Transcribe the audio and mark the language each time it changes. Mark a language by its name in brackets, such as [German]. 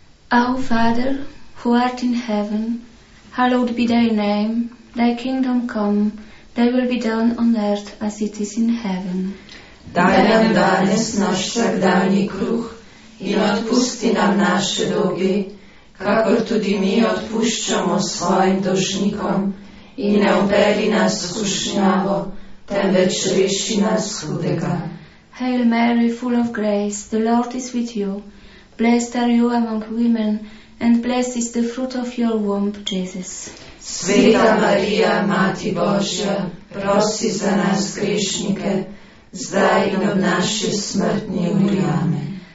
[English] Our Father, who art in heaven, hallowed be thy name, thy kingdom come, thy will be done on earth as it is in heaven. [Slovenian] Daj nam danes naš vsakdanji kruh in odpusti nam naše dolge, kakor tudi mi odpuščamo svojim dolžnikom, in ne upeli nas v kušnjavo, temveč reši nas hudega. [English] Hail Mary, full of grace, the Lord is with you. Blessed are you among women, and blessed is the fruit of your womb, Jesus. [Slovenian] Sveta Marija, Mati Božja, prosi za nas grešnike, zdaj in ob naši smrtni uri. Amen.